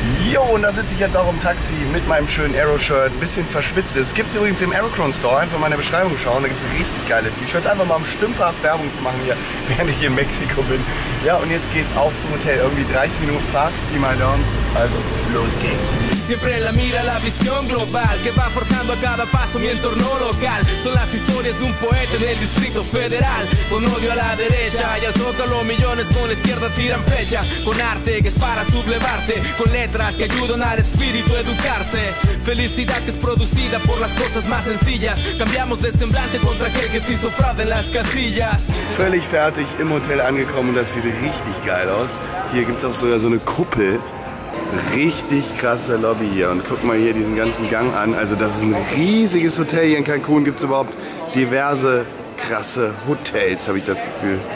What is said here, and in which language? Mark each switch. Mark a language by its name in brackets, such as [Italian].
[German] Jo, und da sitze ich jetzt auch im Taxi mit meinem schönen Aero-Shirt, ein bisschen verschwitzt. Es gibt übrigens im Aerocron-Store, einfach mal in der Beschreibung schauen, da gibt es richtig geile T-Shirts. Einfach mal um stümperhaft Werbung zu machen hier, während ich hier in Mexiko bin. Ja, und jetzt geht's auf zum Hotel. Irgendwie 30 Minuten Fahrt, die mal down. Also, los geht's. [Spanish] Siempre la mira la visión global, que va forjando a cada paso mi entorno local. Son las historias de un poeta en el Distrito Federal. Con odio a la derecha y al zócalo millones con la izquierda tiran flechas. Con arte que es para sublevarte, con letras que ayudan al espíritu a educarse. Felicidad que es producida por las cosas más sencillas. Cambiamos de semblante contra aquel que te hizo fraude en las casillas. [German] Völlig fertig, im Hotel angekommen, das sieht richtig geil aus. Hier gibt's auch sogar so eine Kuppel. Richtig krasse Lobby hier und guck mal hier diesen ganzen Gang an, also das ist ein riesiges Hotel hier in Cancun, gibt es überhaupt diverse krasse Hotels, habe ich das Gefühl.